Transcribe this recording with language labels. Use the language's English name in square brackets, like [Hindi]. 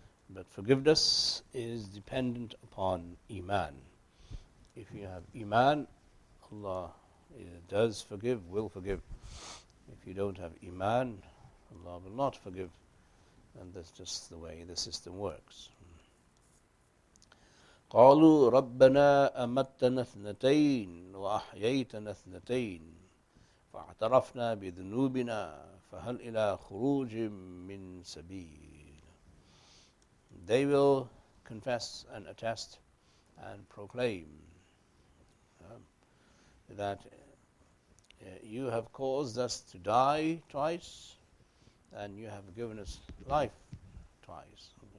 [English] But forgiveness is dependent upon iman. If you have iman, Allah does forgive, will forgive. If you don't have iman, Allah will not forgive. And that's just the way the system works. [Arabic] قالوا ربنا أمتنا اثنتين وأحييتنا اثنتين فاعترفنا بذنوبنا فهل إلى خروج من سبيل. [English] They will confess and attest and proclaim that you have caused us to die twice and you have given us life twice.